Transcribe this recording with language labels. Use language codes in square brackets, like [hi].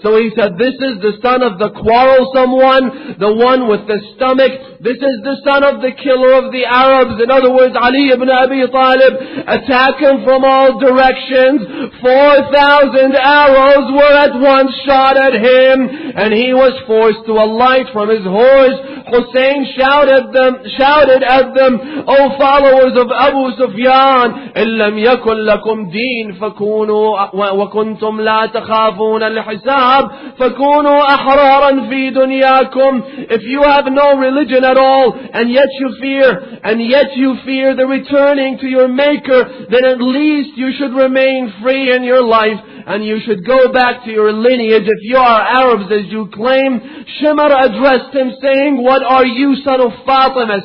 [en] So he said, this is the son of the quarrelsome one, the one with the stomach. This is the son of the killer of the Arabs. In other words, Ali ibn Abi Talib. Attack him from all directions. 4,000 arrows were at once shot at him, and he was forced to alight from his horse. Hussein shouted at them, O followers of Abu Sufyan, [ar] إِن لَمْ يَكُنْ لَكُمْ دِينَ فَكُونُوا وَكُنْتُمْ لَا تَخَافُونَ الْحِسَابِ فَكُونُوا أَحْرَارًا فِي دُنْيَاكُمْ. [en] If you have no religion at all, and yet you fear the returning to your Maker, then at least you should remain free in your life, and you should go back to your lineage if you are Arabs as you claim. Shimr addressed him, saying, What are you, son of Fatima?